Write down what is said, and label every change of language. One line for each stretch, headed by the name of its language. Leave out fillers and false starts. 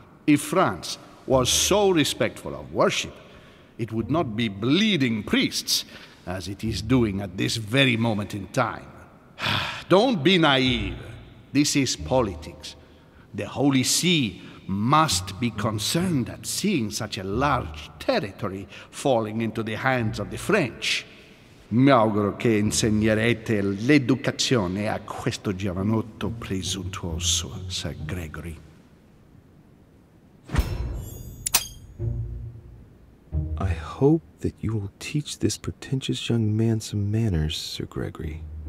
English: If France was so respectful of worship, it would not be bleeding priests as it is doing at this very moment in time. Don't be naive. This is politics. The Holy See must be concerned at seeing such a large territory falling into the hands of the French.
Italian: Mi auguro che insegnerete l'educazione a questo giovanotto presuntuoso, Sir Gregory.
English: I hope that you will teach this pretentious young man some manners, Sir Gregory.